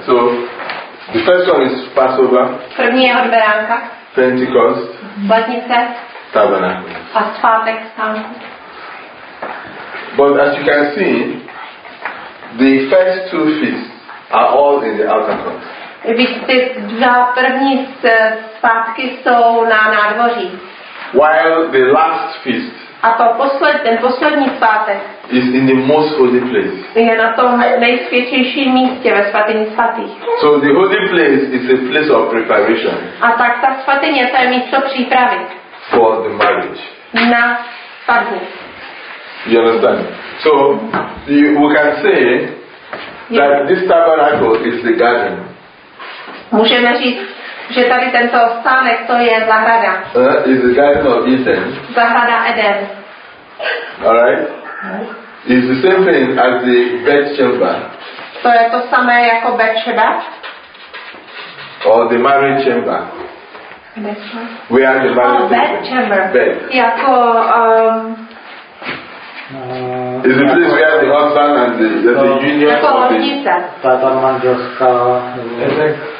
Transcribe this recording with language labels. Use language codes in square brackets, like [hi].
[en] So, the first one is Passover. [cs] První je od beránka. [en] Pentecost. [cs] Letnice. [en] Tabernacle. [cs] A svátek stánku. [en] But as you can see, the first two feasts are all in the outer court. [cs] Víte, dva první svátky jsou na nádvoří. [en] While the last feast. [cs] A to poslední svátek. [en] Is in the most holy place. [cs] Je na tom nejsvětějším místě ve svatyni svatých. [en] So the holy place is a place of preparation. [cs] A tak ta svatyně, to je místo přípravy. [en] For the marriage. [cs] Na svatbu. [en] You understand? So we can say that this tabernacle is the garden. [cs] Můžeme říct, že tady tento stánek, to je zahrada. [en] Is the garden of Eden. [cs] Zahrada Eden. [en] All right. It's the same thing as the bedchamber. [cs] To je to samé jako bedchamber. [en] Or the marriage chamber. Where are the marriage chamber? Bedchamber. Bed. [cs] Jako [en] Is the place where the husband and the union of the Tabernacle.